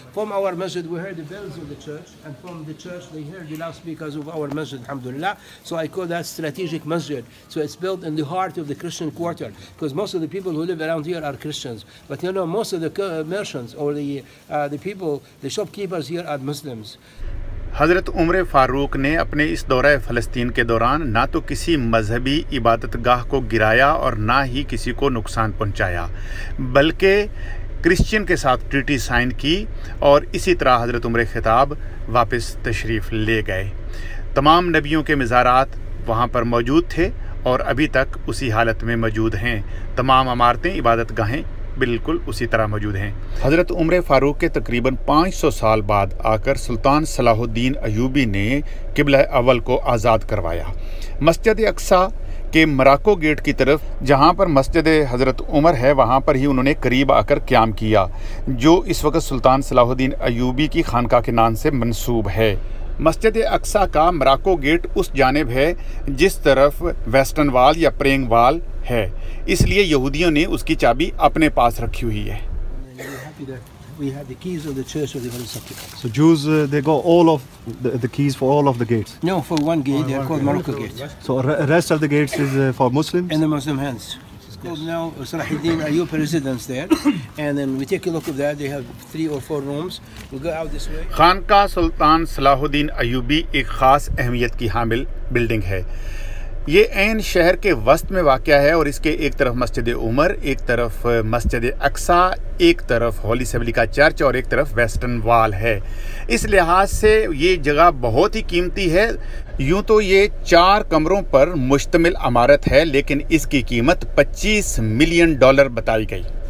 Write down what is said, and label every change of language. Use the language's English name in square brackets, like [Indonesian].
[English] From our masjid we heard the bells of the church, and from the church they heard the loudspeakers of our masjid, alhamdulillah. So I call that strategic masjid. So it's built in the heart of the Christian quarter, because most of the people who live around here are Christians. But you know, most of the merchants or the shopkeepers here are Muslims. [Urdu] حضرت عمر فاروق نے اپنے اس دورہ فلسطین کے دوران نہ تو کسی مذہبی عبادت گاہ کو گرایا اور نہ ہی کسی کو نقصان پہنچایا، بلکہ کرسچن کے ساتھ ٹریٹی سائن کی، اور اسی طرح حضرت عمر خطاب واپس تشریف لے گئے۔ تمام نبیوں کے مزارات وہاں پر موجود تھے اور ابھی تک اسی حالت میں موجود ہیں، تمام عمارتیں عبادت گاہیں بالکل اسی طرح موجود ہیں۔ حضرت عمر فاروق کے تقریباً 500 سال بعد آ کر سلطان صلاح الدین ایوبی نے قبلہ اول کو آزاد کروایا۔ مسجد اقصی کے مراکو گیٹ کی طرف جہاں پر مسجد حضرت عمر ہے وہاں پر ہی انہوں نے قریب آ کر قیام کیا، جو اس وقت سلطان صلاح الدین ایوبی کی خانقاہ کے نام سے منسوب ہے۔ مسجد اقصی کا مراکو گیٹ اس جانب ہے جس طرف ویسٹرن وال یا پرینگ وال ہے، اس لیے یہودیوں نے اس کی چابی اپنے پاس رکھی ہوئی ہے۔ [English] So Jews, they got all of the keys for all of the gates? No, for one gate, they are called Morocco gate. So rest of the gates is for Muslims? In the Muslim hands. It's called now Salah al-Din Ayyub residence there. And then we take a look at that, they have 3 or 4 rooms. We go out this way. [Urdu] خانقاہ سلطان صلاح الدین ایوبی ایک خاص اہمیت کی حامل building ہے۔ یہ عین شہر کے وسط میں واقع ہے اور اس کے ایک طرف مسجد عمر، ایک طرف مسجد اقصی، ایک طرف ہولی سیبلی کا چرچ اور ایک طرف ویسٹرن وال ہے۔ اس لحاظ سے یہ جگہ بہت ہی قیمتی ہے۔ یوں تو یہ 4 کمروں پر مشتمل عمارت ہے لیکن اس کی قیمت $25 million بتائی گئی۔